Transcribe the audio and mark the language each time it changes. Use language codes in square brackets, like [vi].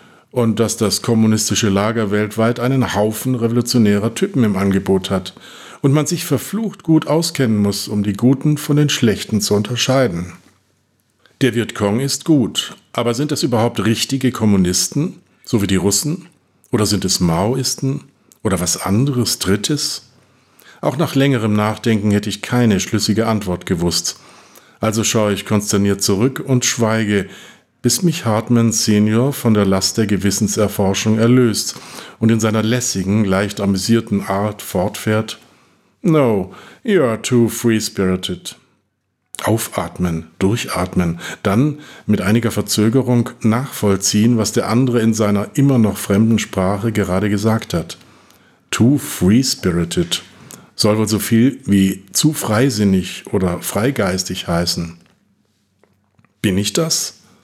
[de] Und dass das kommunistische Lager weltweit einen Haufen revolutionärer Typen im Angebot hat. Und man sich verflucht gut auskennen muss, um die Guten von den Schlechten zu unterscheiden. Der Vietcong ist gut, aber sind das überhaupt richtige Kommunisten? So wie die Russen? Oder sind es Maoisten? Oder was anderes, Drittes? Auch nach längerem Nachdenken hätte ich keine schlüssige Antwort gewusst. Also schaue ich konsterniert zurück und schweige, bis mich Hartman Senior von der Last der Gewissenserforschung erlöst und in seiner lässigen, leicht amüsierten Art fortfährt. [en] No, you are too free-spirited. [de] Aufatmen, durchatmen, dann mit einiger Verzögerung nachvollziehen, was der andere in seiner immer noch fremden Sprache gerade gesagt hat. [en] Too free-spirited. [de] Soll wohl so viel wie zu freisinnig oder freigeistig heißen. Bin ich das?